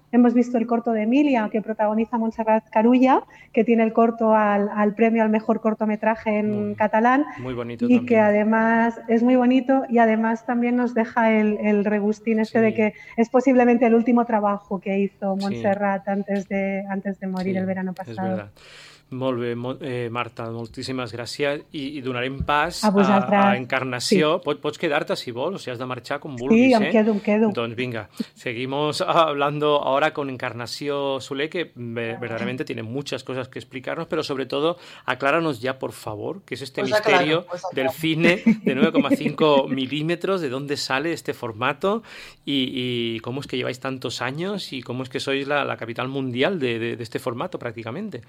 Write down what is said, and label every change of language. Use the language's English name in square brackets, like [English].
[Spanish] hemos visto el corto de Emilia, que protagoniza Montserrat Carulla, que tiene el corto al premio al mejor cortometraje en catalán. Muy bonito y también. Y que además es muy bonito y además también nos deja el regustín este de que es posiblemente el último trabajo que hizo Montserrat antes de morir el verano pasado. Es verdad. [Catalan] Molt bé, Marta, moltíssimes gràcies i donarem pas a Encarnació. Sí. Pots quedar-te si vols, o si has de marxar com vulguis. Sí, em quedo. Doncs vinga, [Spanish] seguimos hablando ahora con Encarnació Soler, que verdaderamente tiene muchas cosas que explicarnos, pero sobre todo acláranos ya, por favor, qué es este misterio del cine de 9,5 milímetros, de dónde sale este formato y cómo es que lleváis tantos años y cómo es que sois la capital mundial de este formato prácticamente.